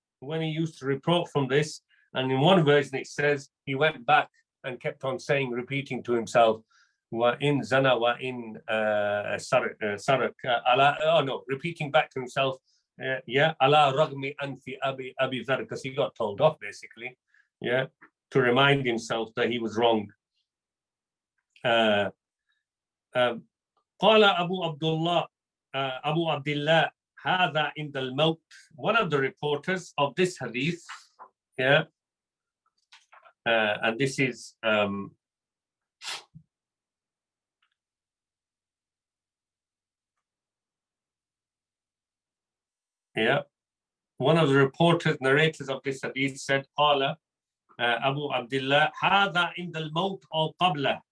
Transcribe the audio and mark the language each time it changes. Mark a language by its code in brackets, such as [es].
[en] When he used to report from this, and in one version it says, he went back and kept on saying, repeating to himself, [ar] وَإِنْ زَنَى وَإِنْ سَرَكَ عَلَى. [en] Oh no, repeating back to himself, yeah, [ar] عَلَى رَغْمِ أَنْفِ أَبِي ذَرْ, [en] because he got told off basically, yeah, to remind himself that he was wrong. [ar] قال أبو عبد الله أبو عبد الله هذا عند الموت. [en] One of the reporters of this hadith, yeah, and this is one of the reporters narrators of this hadith said, [ar] قال أبو عبد الله هذا عند الموت أو قبله.